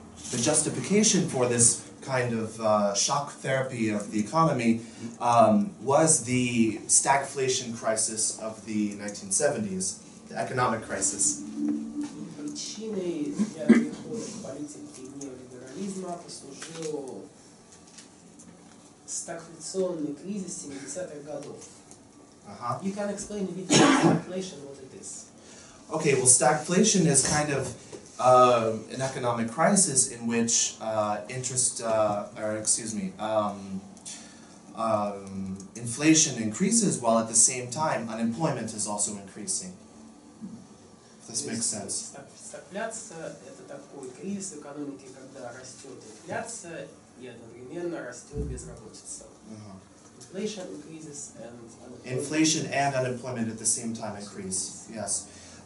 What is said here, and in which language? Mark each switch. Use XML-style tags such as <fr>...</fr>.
<en>The justification for this kind of shock therapy of the economy was the stagflation crisis of the 1970s, the economic crisis.</en> <ru>Причиной для перехода к политике неолиберализма послужил стагфляционный кризис 70-х годов. Uh-huh.</ru> <en>You can explain a bit about stagflation, what it is. Okay, well, stagflation is kind of an economic crisis in which inflation increases while at the same time unemployment is also increasing. If this makes sense.</en> <ru>Стагфляция – это такой кризис в экономике, когда растет инфляция и одновременно растет безработица.</ru> <en>Inflation increases and unemployment. Inflation and unemployment at the same time increase. Yes.</en>